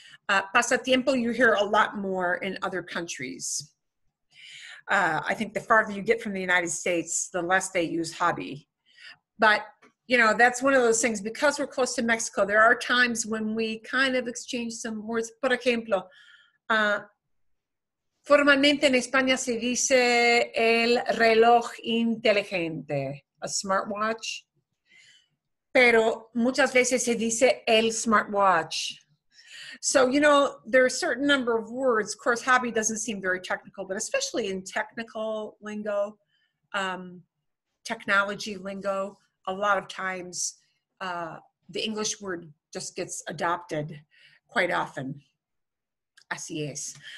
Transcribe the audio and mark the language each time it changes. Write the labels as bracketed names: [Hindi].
[English] Pasatiempo, you hear a lot more in other countries. I think the farther you get from the United States, the less they use hobby. But, you know, that's one of those things, because we're close to Mexico, there are times when we kind of exchange some words. [Spanish] Por ejemplo, formalmente en España se dice el reloj inteligente, [English] a smartwatch. [Spanish] Pero muchas veces se dice el smartwatch. [English] So, you know, there are a certain number of words. Of course, hobby doesn't seem very technical, but especially in technical lingo, technology lingo, a lot of times the English word just gets adopted quite often. [Spanish] Así es.